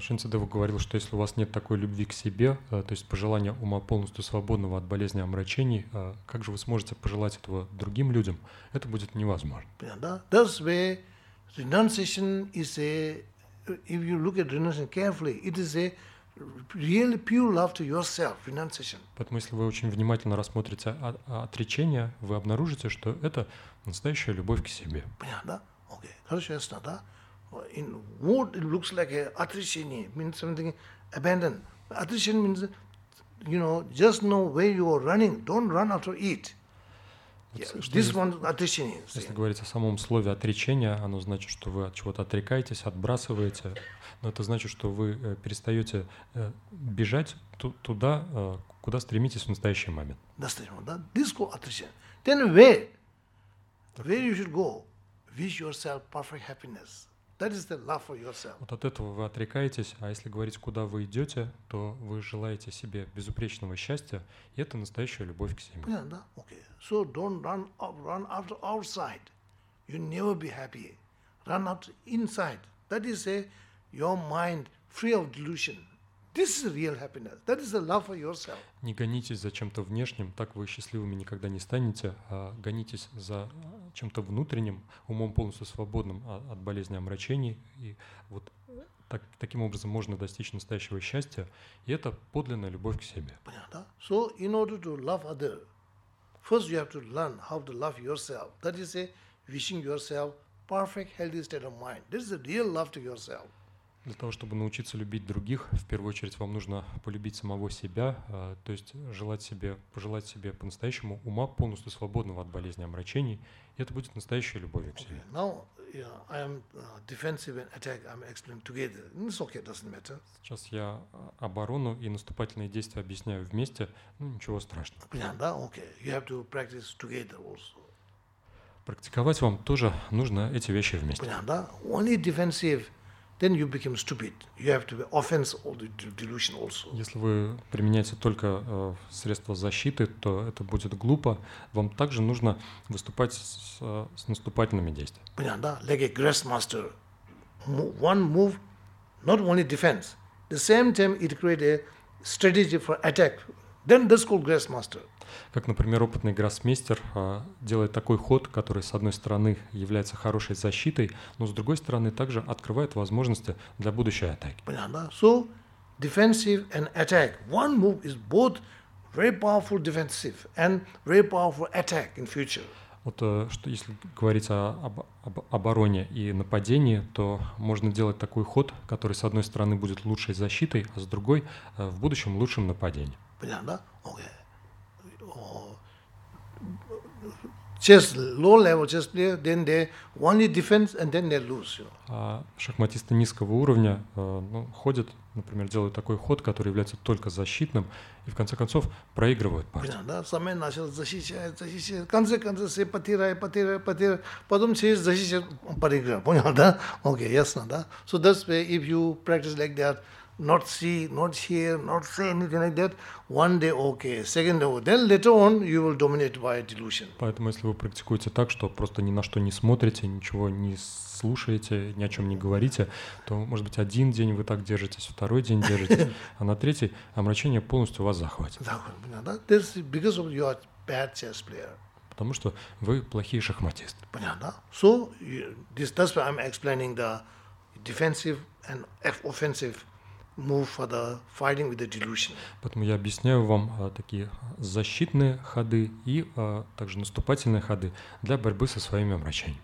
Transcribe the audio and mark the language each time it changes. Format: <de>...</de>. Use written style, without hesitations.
<ru>Шинцедева говорил, что если у вас нет такой любви к себе, то есть пожелания ума полностью свободного от болезни и омрачений, как же вы сможете пожелать этого другим людям? Это будет невозможно.</ru> <en>Yeah, that's where renunciation is a, if you look at renunciation carefully, it is a really pure love to yourself, renunciation.</en> <ru>Поэтому, если вы очень внимательно рассмотрите отречение, вы обнаружите, что это настоящая любовь к себе. Понятно, да? Okay, хорошо, ясно, да?</ru> <en>In what it looks like a отречение, means something abandon. Отречение means, you know, just know where you are running, don't run after it. Yeah, this one отречение.</en> <ru>Если говорить о самом слове отречение, оно значит, что вы от чего-то отрекаетесь, отбрасываете, но это значит, что вы перестаете бежать туда, куда стремитесь в настоящий момент. Достаточно, да?</ru> <en>This called отречение. Then where?</en> <ru>Так.</ru> <en>Where you should go? Wish yourself perfect happiness. That is the love for yourself.</en> <ru>Вот от этого вы отрекаетесь, а если говорить, куда вы идете, то вы желаете себе безупречного счастья, и это настоящая любовь к себе. Понятно, да?</ru> <en>Okay. So don't run after outside. You never be happy. Run out inside. That is a your mind free of delusion. This is real happiness. That is the love for yourself.</en> <ru>Не гонитесь за чем-то внешним, так вы счастливыми никогда не станете. А гонитесь за чем-то внутренним, умом полностью свободным от болезни и омрачений. И вот таким образом можно достичь настоящего счастья. И это подлинная любовь к себе. Понятно, да?</ru> <en>So in order to love other, first you have to learn how to love yourself. That is a wishing yourself perfect healthy state of mind. This is a real love to yourself.</en> <ru>Для того, чтобы научиться любить других, в первую очередь вам нужно полюбить самого себя, то есть пожелать себе по-настоящему ума, полностью свободного от болезни и омрачений, и это будет настоящая любовь к себе.</ru> <en>Okay. Now, yeah, I am defensive and attack, I'm explaining together. It's okay, it doesn't matter.</en> <ru>Сейчас я оборону и наступательные действия объясняю вместе, ну ничего страшного. Понятно, да?</ru> <en>Okay. You have to practice together also.</en> <ru>Практиковать вам тоже нужно эти вещи вместе. Понятно, да?</ru> <en>Only defensive. Then you become stupid. You have to be offense all the delusion also.</en> <ru>Если вы применяете только средства защиты, то это будет глупо. Вам также нужно выступать с наступательными действиями. Понятно, да?</ru> <en>Like a grassmaster. One move, not only defense. The same time it create a strategy for attack. Then that's called grassmaster.</en> <ru>Как, например, опытный гроссмейстер делает такой ход, который, с одной стороны, является хорошей защитой, но, с другой стороны, также открывает возможности для будущей атаки. Понятно, да?</ru> <en>So, defensive and attack. One move is both very powerful defensive and very powerful attack in future.</en> <ru>Вот что, если говорить об обороне и нападении, то можно делать такой ход, который с одной стороны будет лучшей защитой, а с другой в будущем лучшим нападением. Понятно, да? Окей.</ru> <en>Chess, low level chess player, then they only defense and then they lose. You know.</en> <ru>А шахматисты низкого уровня ну, ходят, например, делают такой ход, который является только защитным, и в конце концов проигрывают партию. Понятно, да? Самый начал защищать, в конце концов все потеряют, потом все защищают, проигрывают. Понял, да? Окей, okay, ясно, да?</ru> <en>So that's why if you practice like that, not see, not hear, not say anything like that, one day okay, second day okay. Then later on you will dominate by delusion.</en> <ru>Поэтому если вы практикуете так, что просто ни на что не смотрите, ничего не слушаете, ни о чем не говорите, то, может быть, один день вы так держитесь, второй день держитесь, а на третий омрачение полностью вас захватит.</ru> <en>That's because of you are bad chess player.</en> <ru>Потому что вы плохие шахматисты. Понятно?</ru> <en>So, that's why I'm explaining the defensive and offensive move for the fighting with the delusion.</en> <ru>Поэтому я объясняю вам такие защитные ходы и также наступательные ходы для борьбы со своими омрачениями.</ru>